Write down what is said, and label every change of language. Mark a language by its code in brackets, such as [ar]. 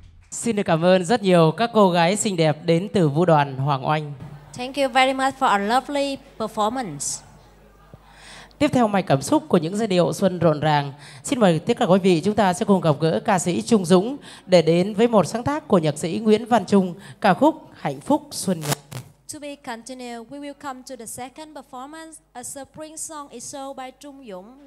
[vi] xin được cảm ơn rất nhiều các cô gái xinh đẹp đến từ vũ đoàn Hoàng Oanh. [en] Thank you very much for a lovely performance. [vi] Tiếp theo mạch cảm xúc của những giai điệu xuân rộn ràng, xin mời tất cả quý vị chúng ta sẽ cùng gặp gỡ ca sĩ Trung Dũng để đến với một sáng tác của nhạc sĩ Nguyễn Văn Trung, ca khúc Hạnh Phúc Xuân Nhật. [en] To be continued, we will come to the second performance, a spring song is so by Trung Dũng.